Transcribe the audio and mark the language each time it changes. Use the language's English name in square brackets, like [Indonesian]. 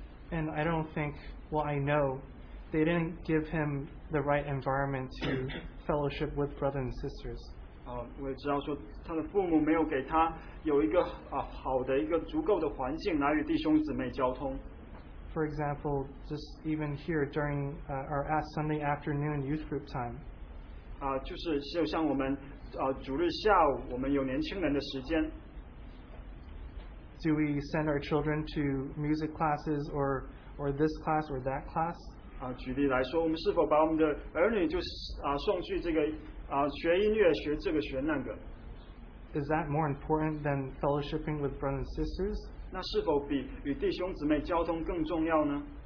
[English] And I don't think, well, I know, they didn't give him the right environment to fellowship with brothers and sisters. [Chinese] 我也知道说他的父母没有给他有一个 好的一个足够的环境来与弟兄姊妹交通。 [English] For example, just even here during our Sunday afternoon youth group time. [Chinese] 就是像我们 主日下午我们有年轻人的时间。 [English] Do we send our children to music classes or this class or that class? [Chinese] 举例来说，我们是否把我们的儿女就是送去这个 学音乐，学这个，学那个。 [English] Is that more important than fellowshipping with brothers and sisters? [Chinese] 那是否比与弟兄姊妹交通更重要呢？